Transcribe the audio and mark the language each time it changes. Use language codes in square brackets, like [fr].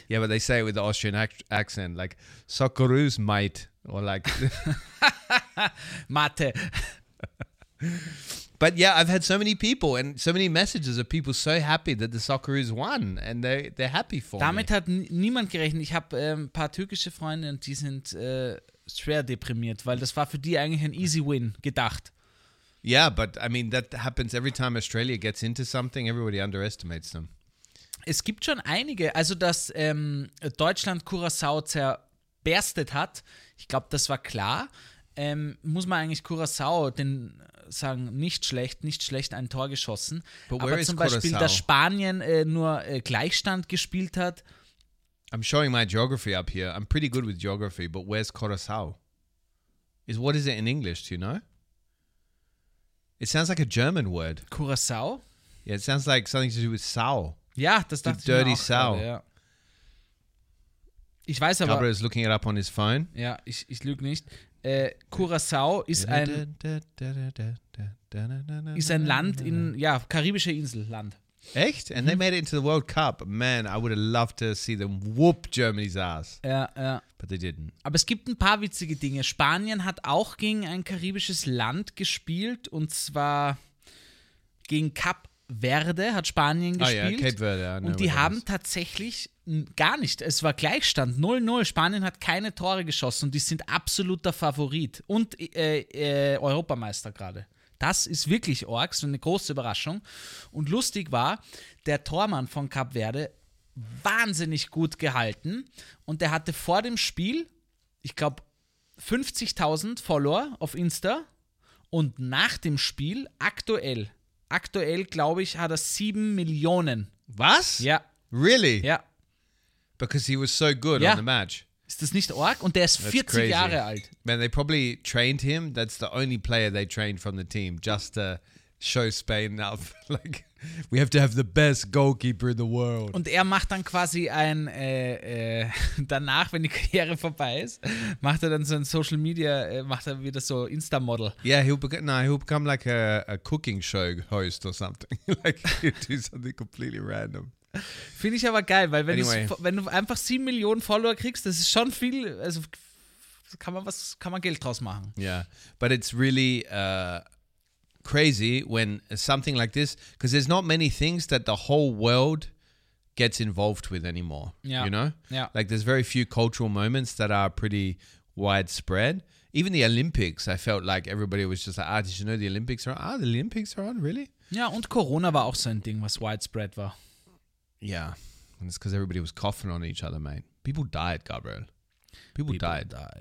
[en] Yeah, but they say it with the Austrian accent, like, Socceroos, mate, or like... Mate. But yeah, I've had so many people and so many messages of people so happy that the Socceroos won and they're happy for [de] Damit [en] me. [de] Hat niemand gerechnet. Ich habe ein paar türkische Freunde und die sind schwer deprimiert, weil das war für die eigentlich ein easy win gedacht. [en] Yeah, but I mean that happens every time Australia gets into something, everybody underestimates them. [de] Es gibt schon einige, also dass Deutschland Curaçao zerberstet hat, ich glaube, das war klar. Muss man eigentlich Curaçao den sagen, nicht schlecht ein Tor geschossen. [en] But where [de] aber zum [en] is [de] Beispiel, dass Spanien nur Gleichstand gespielt hat. [en] I'm showing my geography up here. I'm pretty good with geography, but where's Curaçao? Is what is it in English, do you know? It sounds like a German word. Curaçao? Yeah, it sounds like something to do with Sau. [de] Ja, das dachte ich mir auch. [en] Dirty [de] Sau. Ja. Ich weiß aber. [en] Gabriel is looking it up on his phone. [de] Ja, ich lüge nicht. Curaçao ist ein Land in, ja, karibische Inselland. Echt? [en] And they made it into the World Cup. Man, I would have loved to see them whoop Germany's ass. [de] Ja, ja. [en] But they didn't. [de] Aber es gibt ein paar witzige Dinge. Spanien hat auch gegen ein karibisches Land gespielt und zwar gegen Kap Verde hat Spanien gespielt. [en] Oh ja, Cape Verde. [de] Und die haben tatsächlich... Gar nicht. Es war Gleichstand. 0-0. Spanien hat keine Tore geschossen und die sind absoluter Favorit. Und Europameister gerade. Das ist wirklich Orks, eine große Überraschung. Und lustig war, der Tormann von Kap Verde wahnsinnig gut gehalten und der hatte vor dem Spiel, ich glaube, 50.000 Follower auf Insta und nach dem Spiel aktuell glaube ich, hat er 7 Millionen. Was? Ja. [en] Really? [de] Ja. [en] Because he was so good on the match. [de] Ist das nicht arg? Und der ist 40 Jahre alt. [en] Man, they probably trained him. That's the only player they trained from the team. Just to show Spain up. Like, we have to have the best goalkeeper in the world. [de] Und er macht dann quasi ein, danach, wenn die Karriere vorbei ist, macht er dann so ein Social Media, macht er wieder so Insta-Model. [en] Yeah, he'll become like a cooking show host or something. Like, he'll do something completely random. [de] Finde ich aber geil, weil wenn du einfach 7 Millionen Follower kriegst, das ist schon viel, also kann man Geld draus machen. [en] Yeah, but it's really crazy when something like this, because there's not many things that the whole world gets involved with anymore, yeah. You know? Yeah. Like there's very few cultural moments that are pretty widespread. Even the Olympics, I felt like everybody was just like, ah, did you know the Olympics are on? Ah, the Olympics are on, really? [de] Ja, und Corona war auch so ein Ding, was widespread war. [en] Yeah, and it's because everybody was coughing on each other, mate. People died, Gabriel. People died.